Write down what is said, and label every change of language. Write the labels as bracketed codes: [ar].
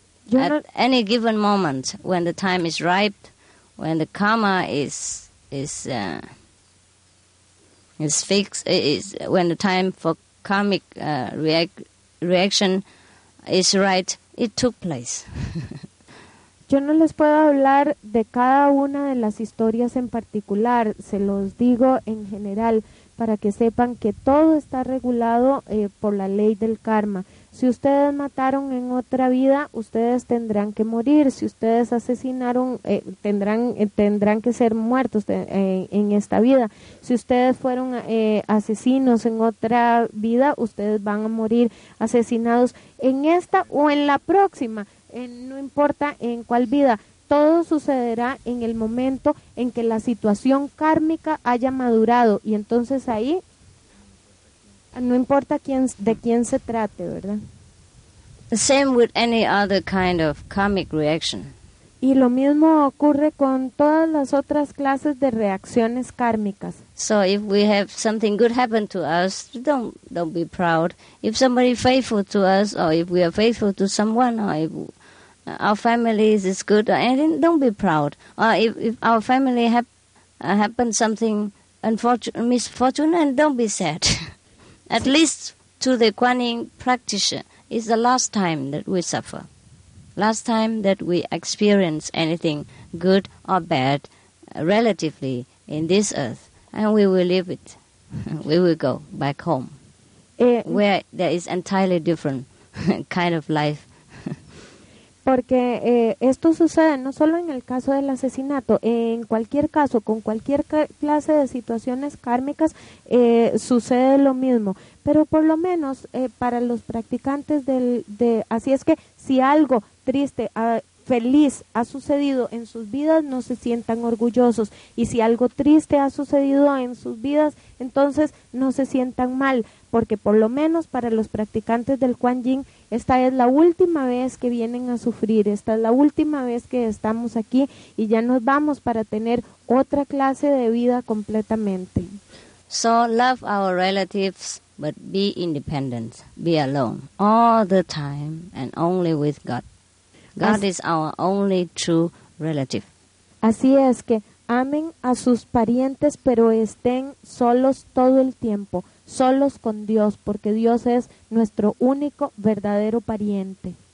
[en] At any given moment, when the time is ripe, when the karma is fixed, is when the time for karmic reaction is right, it took place. [es] Yo no les puedo hablar de cada una de las historias en particular, se los digo en general para que sepan que todo está regulado por la ley del karma. Si ustedes mataron en otra vida, ustedes tendrán que morir. Si ustedes asesinaron, tendrán que ser muertos en esta vida. Si ustedes fueron asesinos en otra vida, ustedes van a morir asesinados en esta o en la próxima. No importa en cuál vida, todo sucederá en el momento en que la situación kármica haya madurado. Y entonces ahí, no importa de quién se trate, ¿verdad? [en] Same with any other kind of karmic reaction. [es] Y lo mismo ocurre con todas las otras clases de reacciones kármicas. [en] So if we have something good happen to us, don't be proud. If somebody faithful to us, or if we are faithful to someone, or if our family is good, and don't be proud. Or if our family happen something misfortunate, and don't be sad. At least to the Kuan Yin practitioner, it's the last time that we suffer. Last time that we experience anything good or bad relatively in this earth. And we will leave it. We will go back home. Where there is entirely different kind of life. [es] Porque esto sucede no solo en el caso del asesinato, en cualquier caso, con cualquier clase de situaciones kármicas, sucede lo mismo. Pero por lo menos para los practicantes así es que si algo triste, feliz ha sucedido en sus vidas, no se sientan orgullosos. Y si algo triste ha sucedido en sus vidas, entonces no se sientan mal. Porque por lo menos para los practicantes del Kuan Yin, esta es la última vez que vienen a sufrir, esta es la última vez que estamos aquí y ya nos vamos para tener otra clase de vida completamente. [en] So love our relatives, but be independent, be alone, all the time and only with God. God is our only true relative. [es] Así es que amen a sus parientes, pero estén solos todo el tiempo. Solos con Dios, porque Dios es nuestro único verdadero pariente.